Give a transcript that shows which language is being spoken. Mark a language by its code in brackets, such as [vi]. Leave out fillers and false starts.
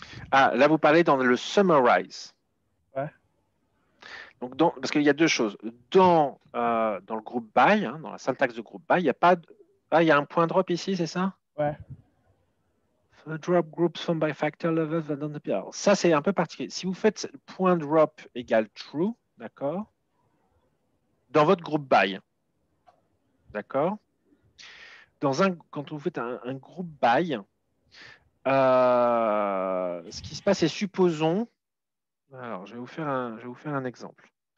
[fr] Ah, là, vous parlez dans le summarize. Ouais. Donc, parce qu'il y a deux choses. Dans le groupe by, hein, dans la syntaxe de groupe by, il y a pas de... Ah, il y a un point drop ici, c'est ça ? Ouais. [en] So drop groups from by factor levels. [fr] Alors, ça, c'est un peu particulier. Si vous faites point drop égale true, d'accord, dans votre groupe by, d'accord, quand vous faites un groupe by, ce qui se passe, c'est supposons, alors je vais vous faire un exemple.